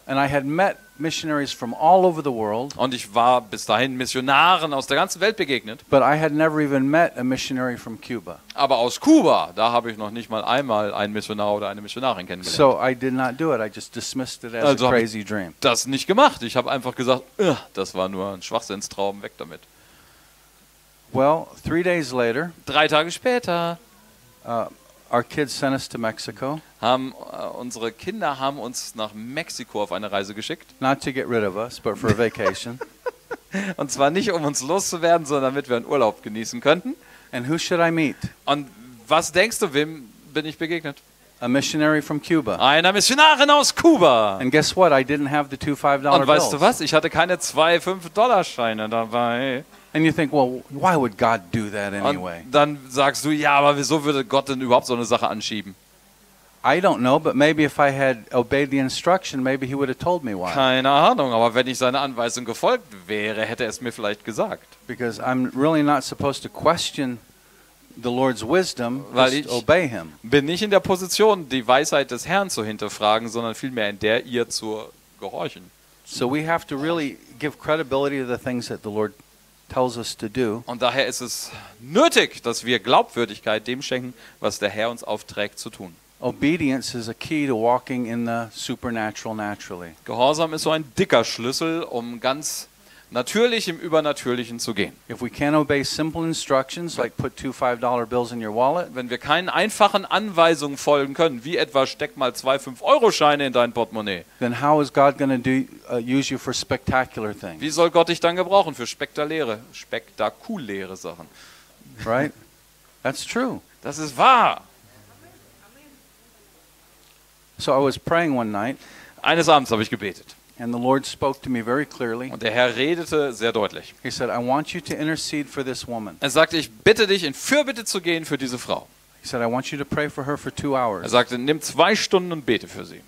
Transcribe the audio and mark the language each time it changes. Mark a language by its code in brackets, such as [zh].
[en] And I had met missionaries from all over the world. [de] Und ich war bis dahin Missionaren aus der ganzen Welt begegnet. [en] But I had never even met a missionary from Cuba. [de] Aber aus Kuba, da habe ich noch nicht mal einmal einen Missionar oder eine Missionarin kennengelernt. [en] So I did not do it. I just dismissed it as [de] also [en] a crazy dream. [de] Das nicht gemacht. Ich habe einfach gesagt, das war nur ein Schwachsinnstraum, weg damit. [en] Well, 3 days later. [de] 3 Tage später. [en] Our kids sent us to Mexico. [de] Unsere Kinder haben uns nach Mexiko auf eine Reise geschickt. [en] Not to get rid of us, but for a vacation. [de] Und zwar nicht, um uns loszuwerden, sondern damit wir einen Urlaub genießen könnten. [en] And who should I meet? [de] Und was denkst du, wem bin ich begegnet? [en] A missionary from Cuba. [de] Einer Missionarin aus Kuba. [en] And guess what? I didn't have the $2 $5 [de] Und weißt du was? Ich hatte keine 2 $5 Scheine dabei. [en] And you think, well, why would God do that anyway? [de] Und dann sagst du, ja, aber wieso würde Gott denn überhaupt so eine Sache anschieben? [en] I don't know, but maybe if I had obeyed the instruction, maybe he would have told me why. [de] Keine Ahnung, aber wenn ich seiner Anweisung gefolgt wäre, hätte er es mir vielleicht gesagt. [en] Because I'm really not supposed to question the Lord's wisdom, [de] weil [en] just obey him. [de] Bin nicht in der Position, die Weisheit des Herrn zu hinterfragen, sondern vielmehr in der, ihr zu gehorchen. [en] So we have to really give credibility to the things that the Lord tells us to do. [de] Und daher ist es nötig, dass wir Glaubwürdigkeit dem schenken, was der Herr uns aufträgt zu tun. [en] Obedience is a key to walking in the supernatural naturally. [de] Gehorsam ist so ein dicker Schlüssel, um ganz natürlich im Übernatürlichen zu gehen. [en] If we can't obey simple instructions like put $2 $5 bills in your wallet, [de] wenn wir keinen einfachen Anweisungen folgen können, wie etwa steck mal 2 5 Euro Scheine in dein Portemonnaie, [en] then how is God going to use you for spectacular things? [de] Wie soll Gott dich dann gebrauchen für spektakuläre Sachen? [en] Right? That's true. [de] Das ist wahr. [en] So I was praying one night. [de] Eines Abends habe ich gebetet. [en] And the Lord spoke to me very clearly. [de] Und der Herr redete sehr deutlich. [en] He said, I want you to intercede for this woman. [de] Er sagte, ich bitte dich, in Fürbitte zu gehen für diese Frau. [en] He said, I want you to pray for her for 2 hours. [de] Er sagte, nimm 2 Stunden und bete für sie.